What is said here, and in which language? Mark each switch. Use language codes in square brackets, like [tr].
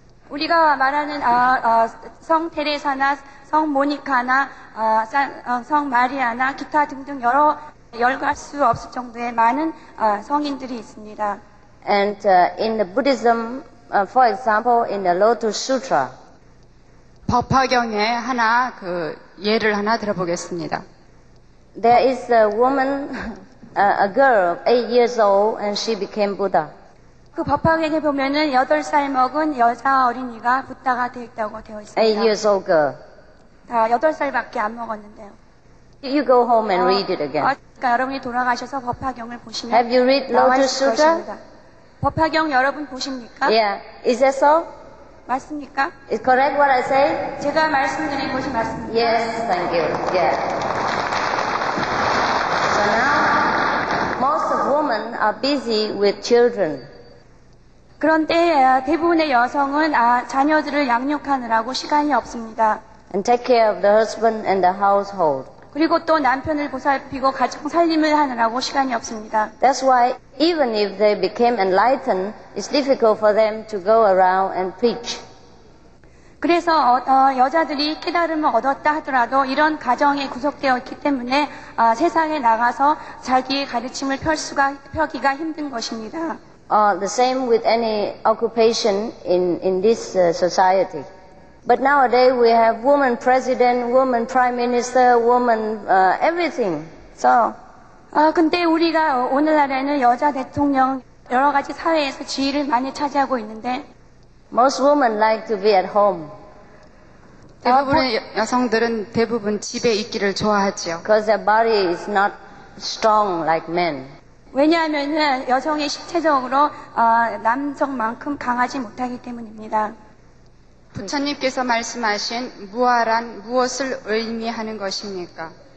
[ko] 우리가 말하는 성 테레사나 성 모니카나 성 마리아나 기타 등등 여러 열갈 수 없을 정도의 많은 성인들이 있습니다. [en] And in the Buddhism, for example, in the Lotus Sutra. [ko] 법화경에 하나 그 예를 하나 들어보겠습니다. [en] There is a woman, a girl, 8 years old, and she became Buddha. [ko] 그 법화경에 보면은 8살 먹은 여자 어린이가 부다가 되었다고 되어 있습니다. [en] 8 years old girl. [ko] 다 8살밖에 안 먹었는데요. [en] You go home and read it again. [ko] 그러니까 여러분이 돌아가셔서 법화경을 보시면 [en] Have you read Lotus Sutra? [ko] 법화경 여러분 보십니까? [en] Yeah. Is that so? [ko] 맞습니까? [en] Is correct what I say? [ko] 제가 말씀드린 것이 맞습니다. [en] Yes, thank you. Yeah. So now, most of women are busy with children. [ko] 그런데 대부분의 여성은 자녀들을 양육하느라고 시간이 없습니다. [en] And take care of the husband and the household. [ko] 그리고 또 남편을 보살피고 가정 살림을 하느라고 시간이 없습니다. [en] That's why even if they became enlightened, it's difficult for them to go around and preach. [ko] 그래서 여자들이 깨달음을 얻었다 하더라도 이런 가정에 구속되어 있기 때문에 세상에 나가서 자기의 가르침을 펴기가 힘든 것입니다. [en] The same with any occupation in this society. But nowadays we have woman president, woman prime minister, woman everything. So. [ko] 근데 우리가 오늘날에는 여자 대통령 여러 가지 사회에서 지위를 많이 차지하고 있는데. [en] Most women like to be at home. [ko] 대부분의 여성들은 대부분 집에 있기를 좋아하지요. [en] Because their body is not strong like men. [ko] 왜냐하면 여성이 실체적으로 남성만큼 강하지 못하기 때문입니다. 부처님께서 말씀하신 무아란 무엇을 의미하는 것입니까?